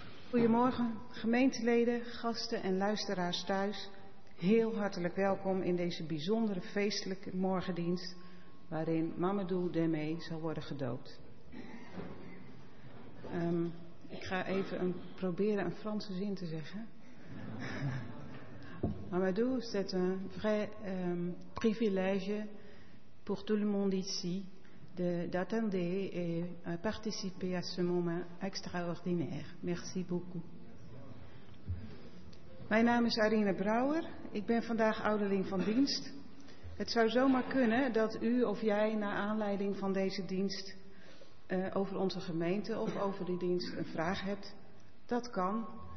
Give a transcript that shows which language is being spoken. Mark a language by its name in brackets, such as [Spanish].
[Dutch] Goedemorgen, gemeenteleden, gasten en luisteraars thuis. Heel hartelijk welkom in deze bijzondere feestelijke morgendienst, waarin Mamadou Demey zal worden gedoopt. Ik ga even proberen een Franse zin te zeggen. [French] Mamadou, c'est un vrai privilège pour tout le monde ici d'attendre et participer à ce moment extraordinaire. Merci beaucoup. [Dutch] Mijn naam is Arine Brouwer. Ik ben vandaag ouderling van dienst. Het zou zomaar kunnen dat u of jij naar aanleiding van deze dienst over onze gemeente of over die dienst een vraag hebt. Dat kan.